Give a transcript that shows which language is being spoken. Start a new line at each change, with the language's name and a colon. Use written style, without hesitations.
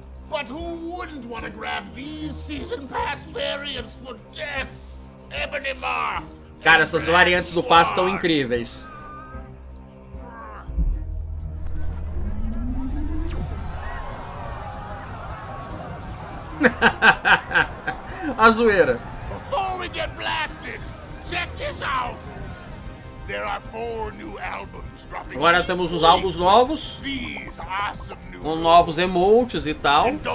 English: But who wouldn't want to grab these season pass variants for Jeff, Ebony Maw?
Portuguese: Cara, essas variantes do passe estão incríveis. A zoeira.
English: Before we get blasted, check this out. There are four new albums dropping.
Portuguese: Agora temos os álbuns novos. Com novos emotes e tal.